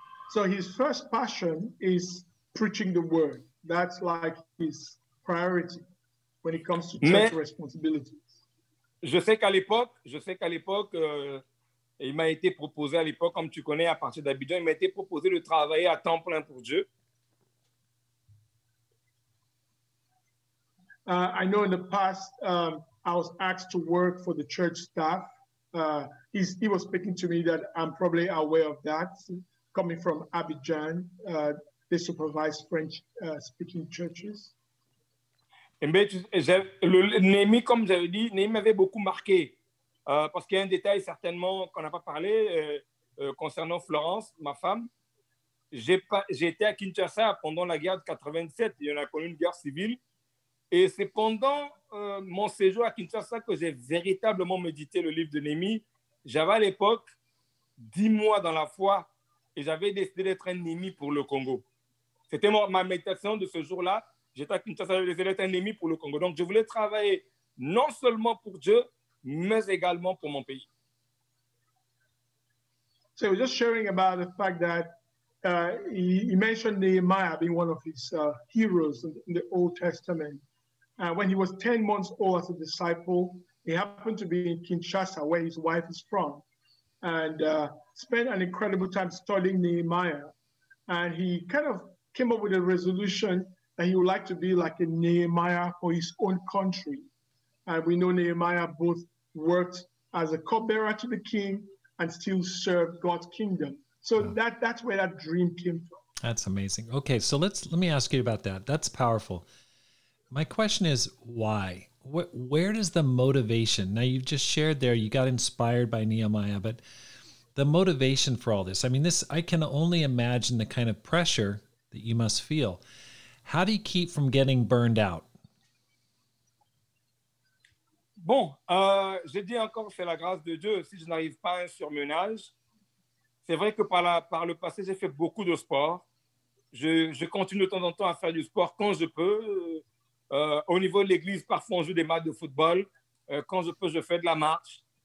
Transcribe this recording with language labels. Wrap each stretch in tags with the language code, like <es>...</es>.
<en>So his first passion is preaching the word. That's like his priority when it comes to church responsibilities.</en> <fr>Je sais qu'à l'époque, il m'a été proposé à l'époque, comme tu connais, à partir d'Abidjan, il m'a été proposé de travailler à temps plein pour Dieu.</fr> <en>I know in the past, I was asked to work for the church staff. He was speaking to me that I'm probably aware of that. Coming from Abidjan, they supervise French speaking churches.</en> <fr>Et bien, Némi, comme j'avais dit, Némi m'avait beaucoup marqué. Parce qu'il y a un détail certainement qu'on n'a pas parlé concernant Florence, ma femme. J'ai été à Kinshasa pendant la guerre de 87. Il y en a connu une guerre civile. Et c'est pendant mon séjour à Kinshasa que j'ai véritablement médité le livre de Néhémie. J'avais à l'époque 10 mois dans la foi et j'avais décidé d'être un Néhémie pour le Congo. C'était ma méditation de ce jour-là. J'étais à Kinshasa, j'avais décidé d'être un Néhémie pour le Congo. Donc je voulais travailler non seulement pour Dieu, mais également pour mon pays.</fr> <en>So we're just sharing about the fact that he mentioned Nehemiah being one of his heroes in the Old Testament. When he was 10 months old as a disciple, he happened to be in Kinshasa, where his wife is from, and spent an incredible time studying Nehemiah. And he kind of came up with a resolution that he would like to be like a Nehemiah for his own country. And we know Nehemiah both worked as a cupbearer to the king and still served God's kingdom. So that's where that dream came from. That's amazing. Okay, so let me ask you about that. That's powerful. My question is, why? Where does the motivation? Now, you've just shared there, you got inspired by Nehemiah, but the motivation for all this, I mean, this, I can only imagine the kind of pressure that you must feel. How do you keep from getting burned out?</en> <fr>Bon, je dis encore, c'est la grâce de Dieu. Si je n'arrive pas à un surmenage, c'est vrai que par le passé, j'ai fait beaucoup de sport. Je continue de temps en temps à faire du sport quand je peux. Au niveau de l'église, parfois, on joue des matchs de football. Quand je peux, je fais de la marche.</fr>